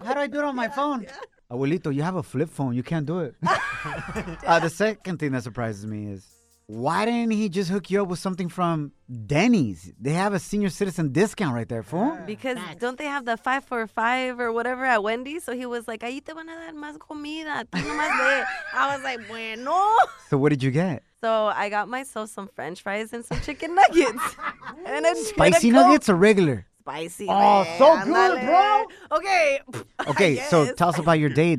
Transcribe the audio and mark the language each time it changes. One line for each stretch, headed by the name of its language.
English: How do I do it on my phone? Yeah. Abuelito, you have a flip phone. You can't do it. The second thing that surprises me is, why didn't he just hook you up with something from Denny's? They have a senior citizen discount right there, fool. Because don't they have the 5 for $5 or whatever at Wendy's? So he was like,
Spanish: ahí te van a dar más comida.
English: I was like, bueno. So what did you get? So I got myself some french fries and some chicken nuggets. And it's spicy nuggets or regular? Spicy. Oh, so good, bro. Okay. Okay, so tell us about your date.